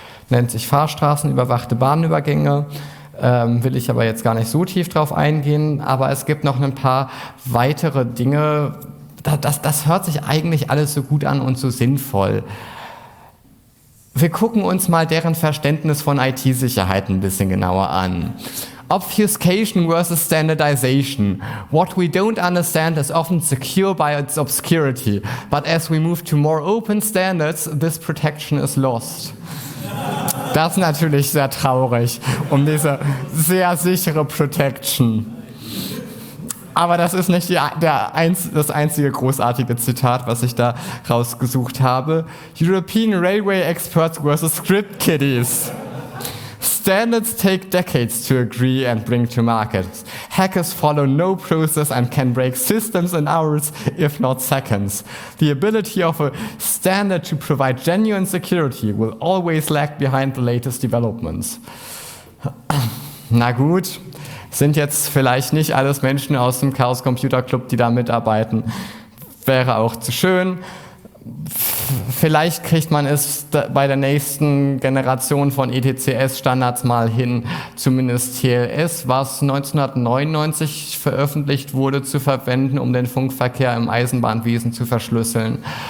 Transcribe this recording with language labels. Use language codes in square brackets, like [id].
[de] Nennt sich Fahrstraßenüberwachte Bahnübergänge. Will ich aber jetzt gar nicht so tief drauf eingehen. Aber es gibt noch ein paar weitere Dinge. Das hört sich eigentlich alles so gut an und so sinnvoll. Wir gucken uns mal deren Verständnis von IT-Sicherheit ein bisschen genauer an. [en] Obfuscation versus Standardization. What we don't understand is often secure by its obscurity. But as we move to more open standards, this protection is lost. [de] Das ist natürlich sehr traurig um diese sehr sichere Protection. Aber das ist nicht das einzige großartige Zitat, was ich da rausgesucht habe. [en] European Railway Experts versus Script Kiddies. Standards take decades to agree and bring to market. Hackers follow no process and can break systems in hours, if not seconds. The ability of a standard to provide genuine security will always lag behind the latest developments. [de] Na gut, sind jetzt vielleicht nicht alles Menschen aus dem Chaos Computer Club, die da mitarbeiten. Wäre auch zu schön. Vielleicht kriegt man es bei der nächsten Generation von ETCS-Standards mal hin, zumindest TLS, was 1999 veröffentlicht wurde, zu verwenden, um den Funkverkehr im Eisenbahnwesen zu verschlüsseln.